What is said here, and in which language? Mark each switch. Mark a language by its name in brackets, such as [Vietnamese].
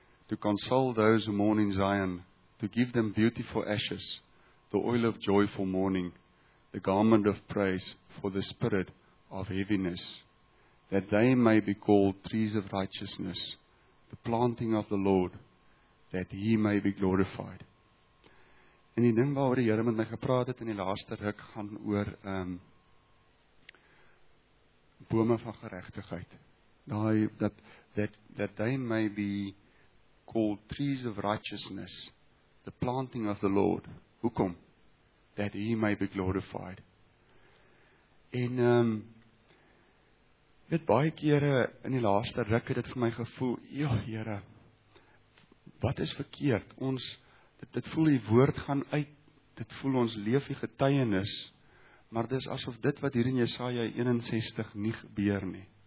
[English] to console those who mourn in Zion, to give them beautiful ashes, the oil of joyful mourning, the garment of praise for the spirit of heaviness, that they may be called trees of righteousness, the planting of the Lord, that He may be glorified. [Afrikaans] En die ding waaroor die Here met my gepraat het in die laaste ruk gaan oor bome van geregtigheid. [English] Daai that they may be called trees of righteousness, the planting of the Lord. [Afrikaans] Hoekom? [English] That he may be glorified. [Afrikaans] En dit baie kere in die laaste ruk het dit vir my gevoel, ja Here, wat is verkeerd? Ons dit voel die woord gaan uit, dit voel ons leef die getuienis, maar dis asof dit wat hier in Jesaja 61 nie gebeur nie.